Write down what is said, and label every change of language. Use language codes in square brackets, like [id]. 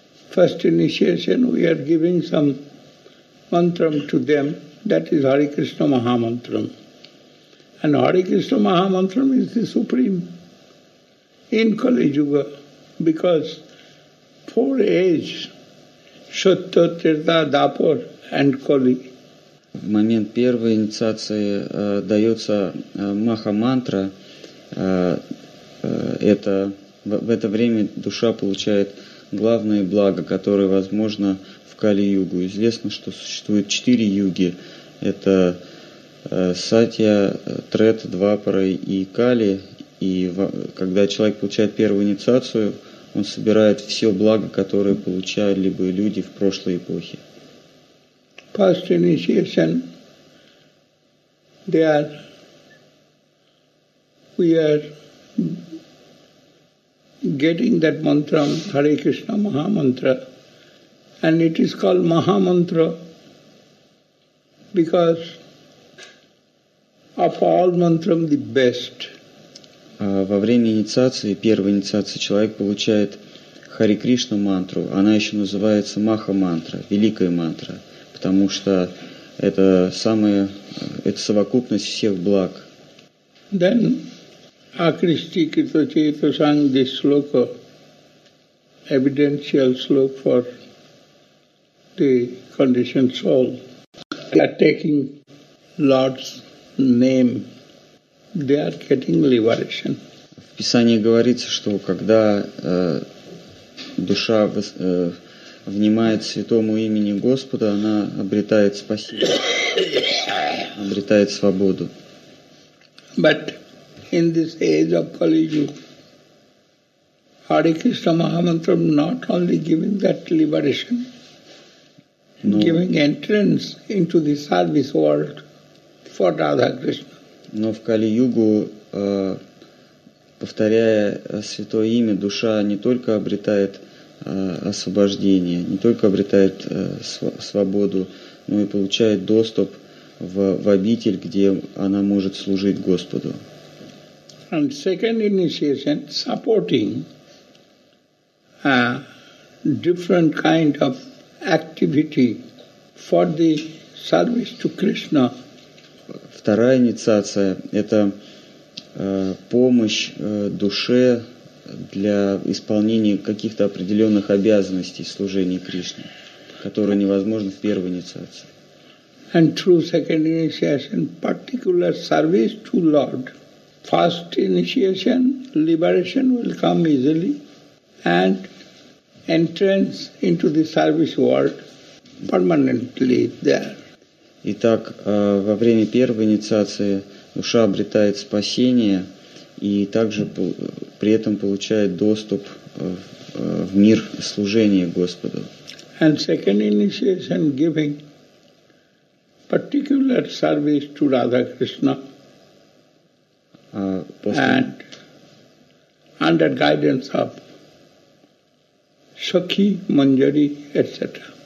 [en] First initiation, we are giving some mantra to them. That is Hare Krishna Mahamantra. And Hare Krishna Mahamantra is the supreme in Kali Yuga, because four ages, Satya, Trita, Dapar and Kali. [ru] Момент первой инициации дается Маха-мантра. Это в это время душа получает главное благо, которое возможно в Кали-югу. Известно, что существует четыре юги. Это Сатья, Трет, Двапара и Кали. И когда человек получает первую инициацию, он собирает все благо, которое получали бы люди в прошлой эпохе. [en] First initiation, we are getting that mantra, Hare Krishna Mahamantra, and it is called Mahamantra because of all mantram the best. [ru] Во время инициации, первой инициации, человек получает Хари Кришна мантру. Она еще называется Маха мантра, великая мантра. Потому что это самое, это совокупность всех благ. [en] Then Akrishti Kito Cheto sang this sloka, evidential sloka for the conditioned soul. They are taking Lord's name, they are getting liberation. [ru] В Писании говорится, что когда душа внимает святому имени Господа, она обретает спасение, обретает свободу. [en] But in this age of Kali Yuga, Hare Krishna Mahamantra not only giving that liberation, no. Giving entrance into the service world for Radha Krishna. [ru] Но в Кали Югу, повторяя святое имя, душа не только обретает освобождение, не только обретает свободу, но и получает доступ в обитель, где она может служить Господу. [en] And second initiation, supporting a different kind of activity for the service to Krishna. [ru] Вторая инициация – это помощь душе для исполнения каких-то определенных обязанностей служения Кришне, которые невозможны в первой инициации. [en] And through second initiation, particular service to Lord. First initiation, liberation will come easily, and entrance into the service world permanently there. [ru] Итак, во время первой инициации душа обретает спасение и также при этом получает доступ в мир служения Господу. [en] And second initiation giving particular service to Radha Krishna and under guidance of Sakhi, Manjari, etc.